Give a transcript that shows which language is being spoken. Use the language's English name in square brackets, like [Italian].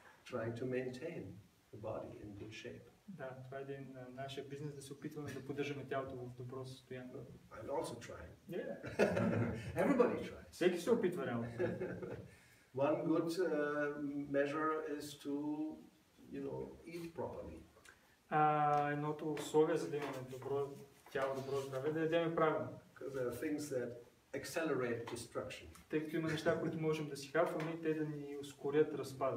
[English] Trying to maintain the body in good shape. [Bulgarian] Да, това е един нашия бизнес, да се опитваме да поддържаме тялото в добро състояние. [English] I'm also trying. Yeah. Everybody tries. [Bulgarian] Всеки се опитва реално. [English] One good measure is to, you know, eat properly. [Bulgarian] Едното условие за да имаме добро тяло, добро здраве, да ядем правилно. [English] Because there are things that accelerate destruction. [Bulgarian] Тъй като има неща, които можем да си харчваме, те да ни ускорят разпада.